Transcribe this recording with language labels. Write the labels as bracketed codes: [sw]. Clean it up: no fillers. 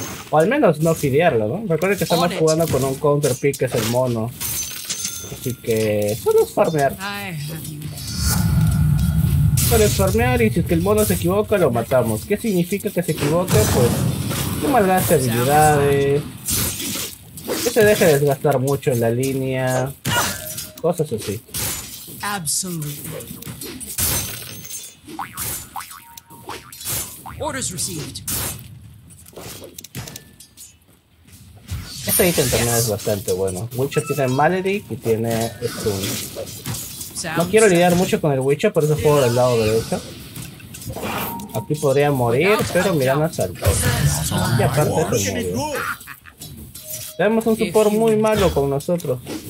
[es] O al menos no fidearlo, ¿no? Recuerden que estamos jugando con un counter pick que es el mono. Así que... solo es farmear. Solo es farmear y si es que el mono se equivoca, lo matamos. ¿Qué significa que se equivoque? Pues... que malgaste habilidades. Que se deje desgastar mucho en la línea. Cosas así. [en] Absolutely. Orders received. [es] Este ítem también es bastante bueno. Witcher tiene Malady y tiene Stun. No quiero lidiar mucho con el Witcher, por eso juego del lado derecho. Aquí podría morir, pero mira, no saltó. Y aparte se murió. Tenemos un support muy malo con nosotros.